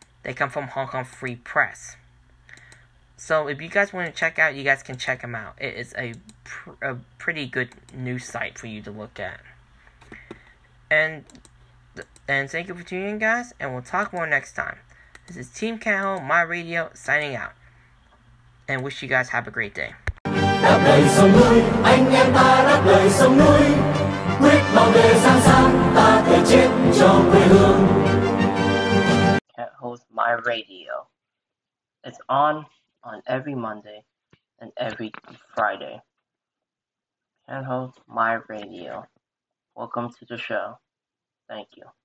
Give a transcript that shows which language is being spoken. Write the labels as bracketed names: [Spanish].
[English] They come from Hong Kong Free Press. So if you guys want to check out, you guys can check them out. It is a pretty good news site for you to look at. And thank you for tuning in, guys. And we'll talk more next time. This is Team Cahill, My Radio, signing out. And wish you guys have a great day. [Vietnamese] Đáp đầy sông núi, anh em ta đáp đầy sông núi. Quyết bảo vệ sáng sáng, ta thề chết cho quê hương. [English] Cahill's My Radio. It's on every Monday and every Friday. Cahill's My Radio. Welcome to the show. Thank you.